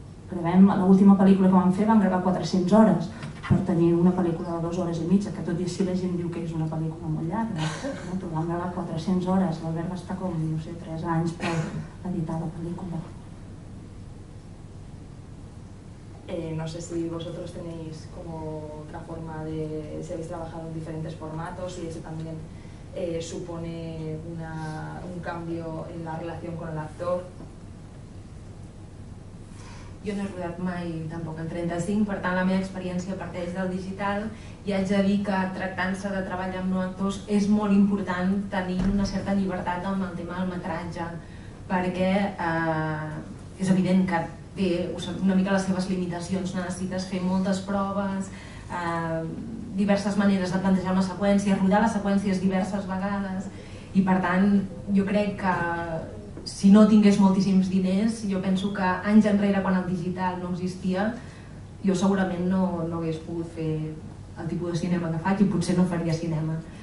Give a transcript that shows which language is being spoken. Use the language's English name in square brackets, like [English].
[Catalan] Gravem, l'última pel·lícula que vam fer vam gravar 400 hores per tenir una pel·lícula de 2 hores i mitja, que tot i així la gent diu que és una pel·lícula molt llarga, no? Però vam gravar 400 hores, l'Albert va estar com, no sé, 3 anys per editar la pel·lícula. [Spanish] No sé si vosotros tenéis como otra forma de... Si habéis trabajado en diferentes formatos y eso también supone un cambio en la relación con el actor. [Catalan] Jo no he rodat mai tampoc en 35, per tant la meva experiència parteix del digital i haig de dir que tractant-se de treballar amb no actors és molt important tenir una certa llibertat amb el tema del metratge, perquè és evident que té una mica les seves limitacions, necessites fer moltes proves, diverses maneres de plantejar una seqüència, rodar les seqüències diverses vegades, i per tant jo crec que si no tingués moltíssims diners, jo penso que anys enrere, quan el digital no existia, jo segurament no hagués pogut fer el tipus de cinema que faig i potser no faria cinema.